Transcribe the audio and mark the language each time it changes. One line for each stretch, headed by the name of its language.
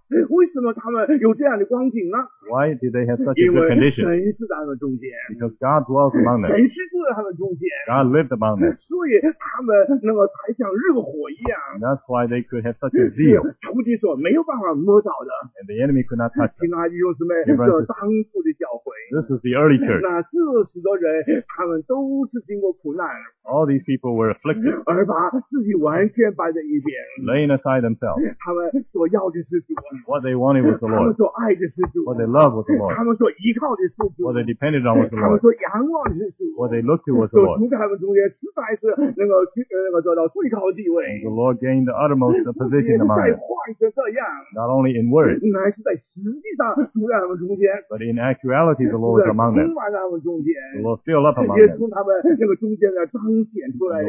Chinese: 为什么他们有这样的光景呢？
English: Why did they have such a good condition?
Chinese: 因为神是在他们中间。
English: Because God dwells among them.
Chinese: 神是住在他们中间。
English: God lived among them.
Chinese: 所以他们那个才像热火一样。
English: And that's why they could have such a zeal.
Chinese: 仇敌所没有办法摸到的。
English: And the enemy could not touch them.
Chinese: 亲爱的弟兄姊妹，这是当初的教会。
English: This is the early church.
Chinese: 那这许多人，他们都是经过苦难。
English: All these people were afflicted.
Chinese: 而把自己完全摆在一边。
English: Laying aside themselves.
Chinese: 他们所要的是主。
English: What they wanted was the Lord.
Chinese: 他们所爱的是主。
English: What they loved was the Lord.
Chinese: 他们所依靠的是主。
English: What they depended on was the Lord.
Chinese: 他们所仰望的是主。
English: What they looked to was the Lord.
Chinese: 主在他们中间实在是那个得到最高地位。
English: And the Lord gained the uttermost position among them.
Chinese: 在话是这样。
English: Not only in word.
Chinese: 乃是在实际上住在他们中间。
English: But in actuality, the Lord was among them.
Chinese: 充满他们中间。
English: The Lord filled up among them.
Chinese: 也从他们那个中间的彰显出来了。